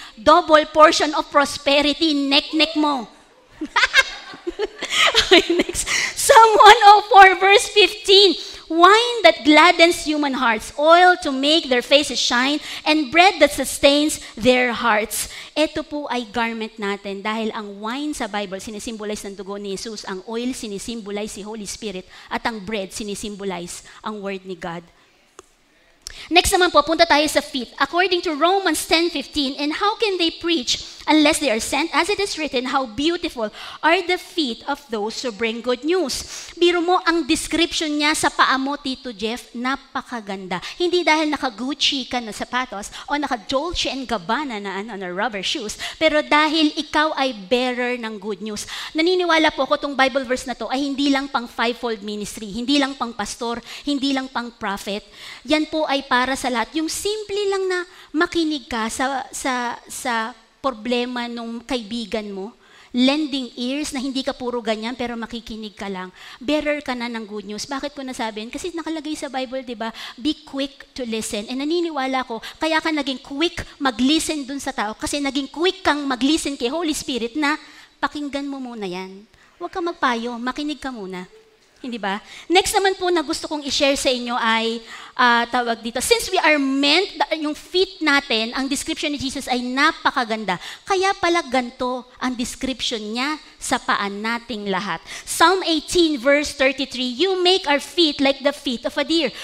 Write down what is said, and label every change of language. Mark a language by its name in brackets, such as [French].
[English] Double portion of prosperity, neck mo. Okay, next. Psalm 104 verse 15. Wine that gladdens human hearts, oil to make their faces shine, and bread that sustains their hearts. [Filipino] Ito po ay garment natin dahil ang wine sa Bible sinisimbolize ng dugo ni Jesus, ang oil sinisimbolize si Holy Spirit, at ang bread sinisimbolize ang word ni God. Next naman po, punta tayo sa feet. [English] According to Romans 10:15, and how can they preach unless they are sent? As it is written, how beautiful are the feet of those who bring good news. [Filipino] Biro mo ang description niya sa paa mo, Tito Jeff, napakaganda. Hindi dahil naka-Gucci ka na sapatos o naka-Dolce and Gabbana na na rubber shoes, pero dahil ikaw ay bearer ng good news. Naniniwala po ako itong Bible verse na to ay hindi lang pang fivefold ministry, hindi lang pang pastor, hindi lang pang prophet. Yan po ay para sa lahat. Yung simple lang na makinig ka sa problema ng kaibigan mo, [English] lending ears [Filipino] na hindi ka puro ganyan pero makikinig ka lang. Bearer ka na ng good news. Bakit ko nasabi? Kasi nakalagay sa Bible, 'di ba? [English] Be quick to listen. [Filipino] And naniniwala ko, kaya ka naging quick mag-listen dun sa tao kasi naging quick kang mag-listen kay Holy Spirit na pakinggan mo muna 'yan. Huwag kang magpayo, makinig ka muna. Hindi ba? Next naman po na gusto kong i-share sa inyo ay tawag dito. [English] Since we are meant, [Filipino] yung feet natin, ang description ni Jesus ay napakaganda. Kaya pala ganito ang description niya sa paan nating lahat. [English] Psalm 18 verse 33, "You make our feet like the feet of a deer.